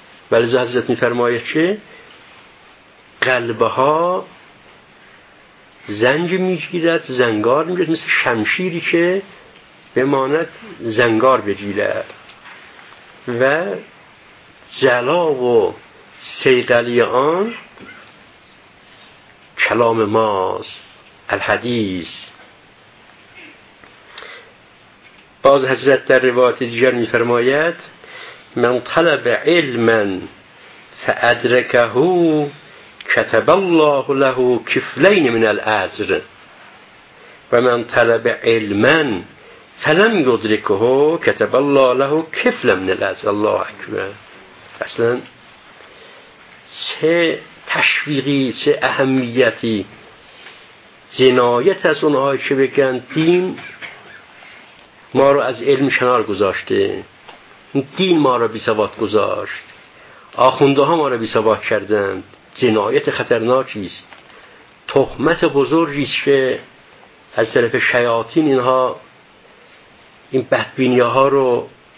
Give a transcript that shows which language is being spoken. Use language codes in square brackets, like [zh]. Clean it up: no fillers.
[fa] ولی حضرت می فرماید که قلبها زنگ می گیرد، زنگار می گیرد، مثل شمشیری که بماند زنگار بگیرد و جلا و سیقلی آن کلام ماست، الحدیث. باز حضرت در روایت دیگر می فرماید [ar] من طلب علما فأدركه كتب الله له كفلين من الأجر ومن طلب علما فلم يدركه كتب الله له كفلا من الأجر. الله أكبر. [fa] اصلا چه تشویقی، چه اهمیتی، جنایت از اونهای که بگن دین ما رو از علم کنار گذاشته، دین ما رو بی‌سواد گذاشت، آخونده ها ما رو بی‌سواد کردند، جنایت خطرناکی است، تهمت بزرگی است که از طرف شیاطین اینها این بدبینی ها رو.